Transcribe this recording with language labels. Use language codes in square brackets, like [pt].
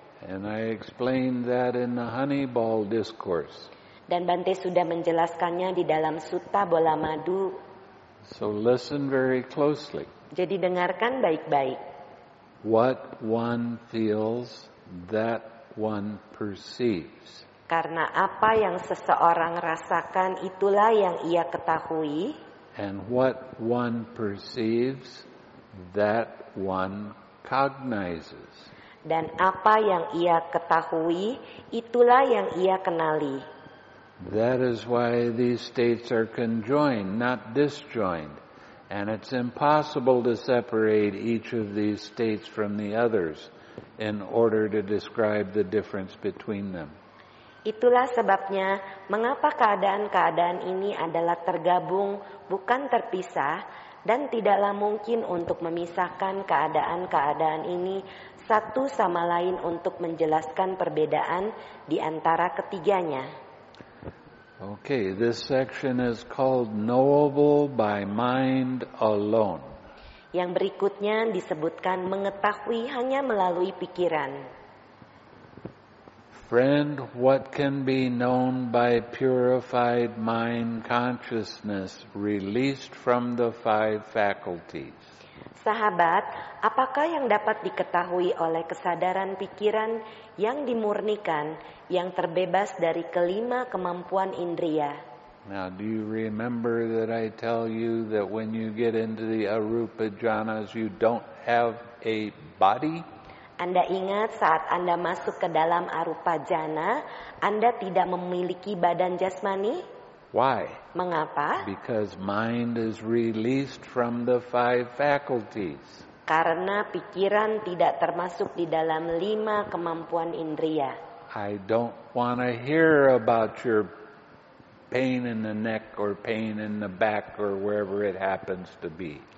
[en] And I explained that in the Honeyball discourse. [id] Dan Bante sudah menjelaskannya di dalam Sutta Bola Madu. [en] So listen very closely. [id] Jadi dengarkan baik-baik. [en] What one feels, that one perceives. [id] Karena apa yang seseorang rasakan, itulah yang ia ketahui. [en] And what one perceives, that one cognizes. [id] Dan apa yang ia ketahui, itulah yang ia kenali. [en] That is why these states are conjoined, not disjoined. And it's impossible to separate each of these states from the others in order to describe the difference between them. [id] Itulah sebabnya mengapa keadaan-keadaan ini adalah tergabung, bukan terpisah, dan tidaklah mungkin untuk memisahkan keadaan-keadaan ini satu sama lain untuk menjelaskan perbedaan di antara ketiganya. [en] Okay, this section is called Knowable by Mind Alone. [id] Yang berikutnya disebutkan mengetahui hanya melalui pikiran. [en] Friend, what can be known by purified mind consciousness released from the five faculties? [id] Sahabat, apakah yang dapat diketahui oleh kesadaran pikiran yang dimurnikan, yang terbebas dari kelima kemampuan indria? [en] Now, do you remember that I tell you that when you get into the arupa jhanas, you don't have a body? [id] Anda ingat saat Anda masuk ke dalam arupa jhana, Anda tidak memiliki badan jasmani? [en] Why? [id] Mengapa? [en] Because mind is released from the five faculties. [id] Karena pikiran tidak termasuk di dalam lima kemampuan indria. [en] I don't want to hear about your pain in the neck or pain in the back or wherever it happens to be.